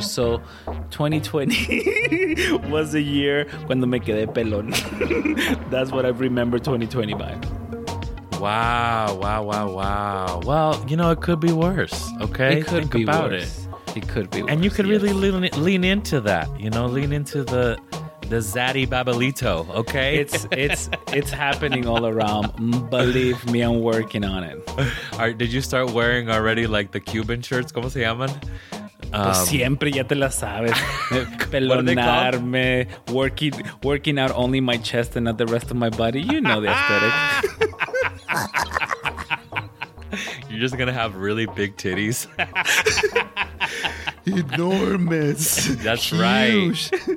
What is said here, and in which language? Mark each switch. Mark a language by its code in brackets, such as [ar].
[en] So 2020 was a year [es] cuando me quedé pelón. [en] That's what I remember 2020 by. Wow. Well, you know, it could be worse, okay? It could be worse. And you could really lean into that, you know, lean into the zaddy Babelito, okay? It's happening all around. Believe me, I'm working on it. All right, did you start wearing already, like, the Cuban shirts? [es] ¿Cómo se llaman? Pues siempre, ya te la sabes. [en] Pelonarme, working out only my chest and not the rest of my body. You know the aesthetic. You're just going to have really big titties. Enormous. That's right.